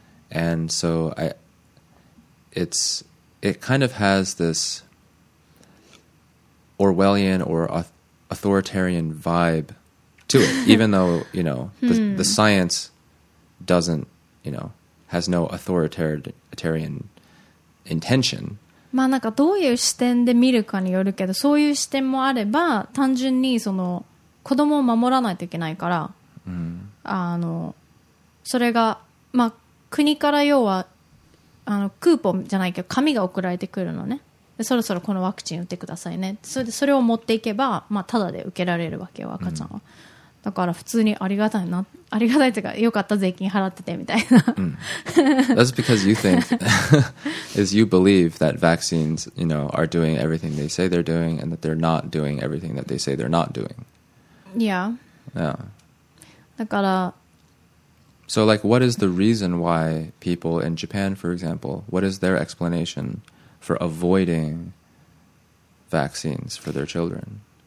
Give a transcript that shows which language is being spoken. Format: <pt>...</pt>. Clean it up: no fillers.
<en>And so it kind of has this Orwellian or authoritarian vibe to it, even though, you know, the science doesn't, you know, has no authoritarian intention.</en> <ja>まあ、なんかどういう視点で見るかによるけど、そういう視点もあれば、単純にその子供を守らないといけないから、うん、それが、まあ、国から要はクーポンじゃないけど紙が送られてくるのね。でそろそろこのワクチン打ってくださいね。それでそれを持っていけば、まあ、ただで受けられるわけよ、赤ちゃんは、うん、だから普通にありがたいな、ありがたいというか、よかった税金払っててみたいな、</ja> <en>That's because you think is you believe that vaccines, you know, are doing everything they say they're doing and that they're not doing everything that they say they're not doing. Yeah. Yeah.</en> <ja>だから</ja> <en>So like what is the reason why people in Japan, for example, what is their explanation for avoiding vaccines for their children?</en>